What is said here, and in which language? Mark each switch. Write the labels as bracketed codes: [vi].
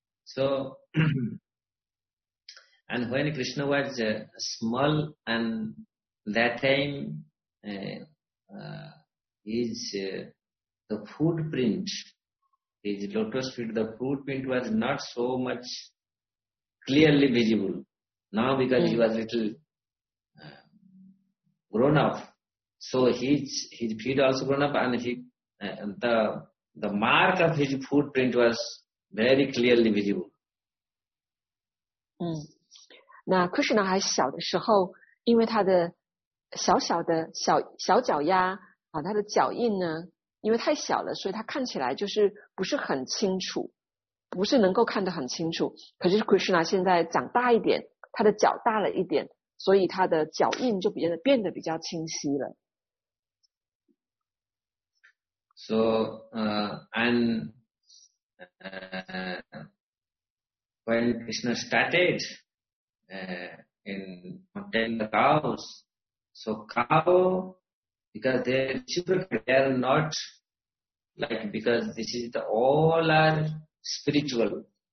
[en] So, and when Krishna was small and that timethe footprint, his lotus feet, the footprint was not so much clearly visible. Now because he was little grown up, so his feet also grown up and the mark of his footprint was very clearly visible. [zh] 那 Krishna 还小的时候，因为他的小小的小小脚丫啊，它的脚印呢，因为太小了，所以它看起来就是不是很清楚，不是能够看得很清楚。可是 Krishna 现在长大一点，他的脚大了一点，所以他的脚印就变得比较清晰了。 [en] So, when Krishna started, in mounting the cows. So cow, because they are not like, because this is the all are spiritual.